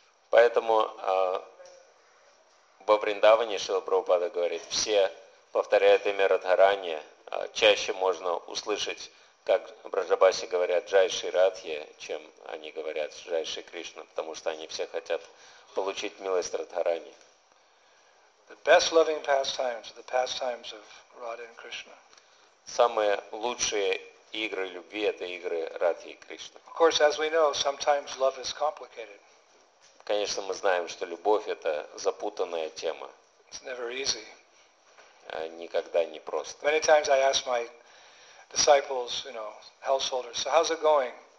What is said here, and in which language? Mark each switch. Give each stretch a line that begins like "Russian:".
Russian: Поэтому во Вриндаване Шрила Прабхупада говорит, все повторяют имя Радхарани, чаще можно услышать, как Браджабаси говорят Джай Шри Радхе, чем они говорят Джай Шри Кришна, потому что они все хотят получить милость Радхарани.
English: The best loving pastimes are the pastimes of Radha and Krishna.
Russian: Самые лучшие игры любви – это игры Радхи и Кришны.
English: Of course, as we know, sometimes love is complicated.
Russian: Конечно, мы знаем, что любовь – это запутанная тема.
English: It's never easy.
Russian: Никогда не просто.
English: Many times I ask my disciples, you know, householders, so how's it going?